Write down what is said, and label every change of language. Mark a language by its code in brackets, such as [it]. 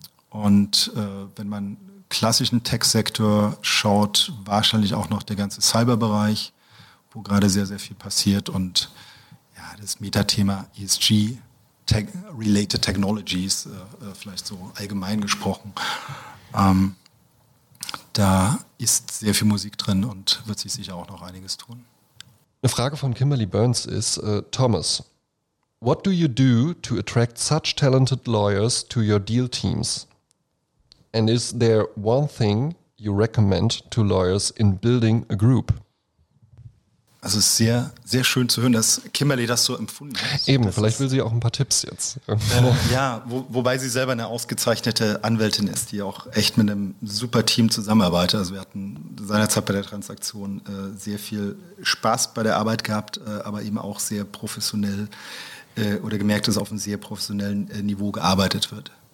[de] Wenn man klassischen Tech-Sektor schaut, wahrscheinlich auch noch der ganze Cyberbereich, wo gerade sehr, sehr viel passiert. Und ja, das Metathema ESG, Tech-Related Technologies, vielleicht so allgemein gesprochen, da ist sehr viel Musik drin und wird sich sicher auch noch einiges tun. Eine Frage von Kimberly Burns ist, [en] Thomas, what do you do to attract such talented lawyers to your deal teams? And is there one thing you recommend to lawyers in building a group? [de] Also es ist sehr, sehr schön zu hören, dass Kimberly das so empfunden hat. Eben, das vielleicht ist, will sie auch ein paar Tipps jetzt. Wobei sie selber eine ausgezeichnete Anwältin ist, die auch echt mit einem super Team zusammenarbeitet. Also wir hatten seinerzeit bei der Transaktion sehr viel Spaß bei der Arbeit gehabt, aber eben auch sehr professionell oder gemerkt, dass auf einem sehr professionellen Niveau gearbeitet wird.